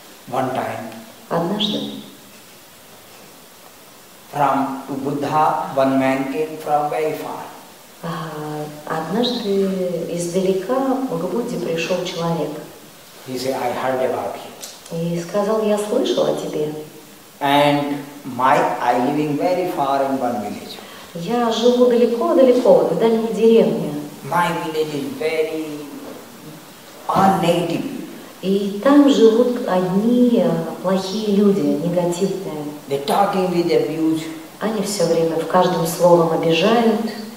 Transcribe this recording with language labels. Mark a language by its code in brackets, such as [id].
[en] One time. [ru] Однажды. [en] From Buddha, one man came from very far. [ru] Однажды издалека к Будде пришел человек. [en] He said, I heard about you. [ru] И сказал, я слышал о тебе. [en] And my I living very far in one village. [ru] Я живу далеко-далеко, в дальней деревне. [en] My village is very unnegative. [ru] И там живут одни плохие люди, негативные. [en] They're talking with abuse. [ru] Они все время в каждом слове обижают.